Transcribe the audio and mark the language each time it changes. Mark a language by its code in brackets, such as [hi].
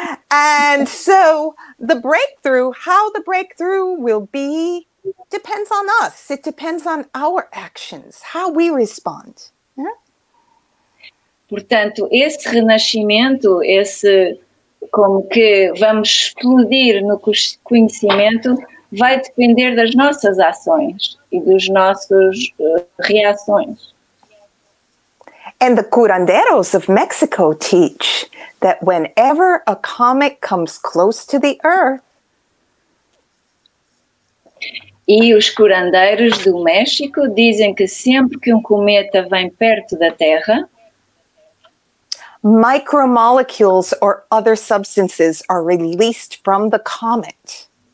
[en] And so, the breakthrough, how the breakthrough will be, depends on us. It depends on our actions, how we respond. [pt] Portanto, esse renascimento, esse como que vamos explodir no conhecimento, vai depender das nossas ações e dos nossos reações. [en] And the curanderos of Mexico teach that whenever a comet comes close to the Earth, [pt] e os curandeiros do México dizem que sempre que um cometa vem perto da Terra, [en] micromolecules or other substances are released from the comet.